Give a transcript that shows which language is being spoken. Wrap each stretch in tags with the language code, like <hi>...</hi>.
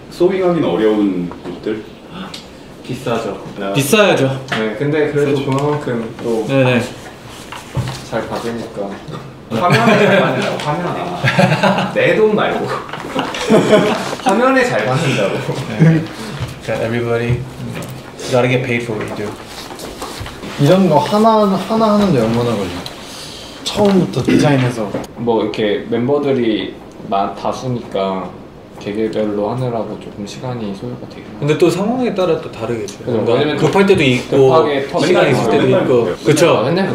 <ko>소빙하기는 어려운 옷들 비싸죠 비싸야죠 네 근데 그래도 비싸죠. 그만큼 또 네네. 잘 받으니까 화면에 잘 받는다고 내 돈 말고 화면에 잘 받는다고</ko> <en>Everybody, you gotta get paid for what you do.</en> <ko>이런 거 하나 하는데 얼마나 걸려? 처음부터 디자인해서 뭐 이렇게 멤버들이 다수니까 개개별로 하느라고 조금 시간이 소요가 되긴 근데 또 상황에 따라 또 다르겠죠. 그러니까 왜냐면 급할 때도 있고 시간이 있을 때도 있고 그렇죠.</ko>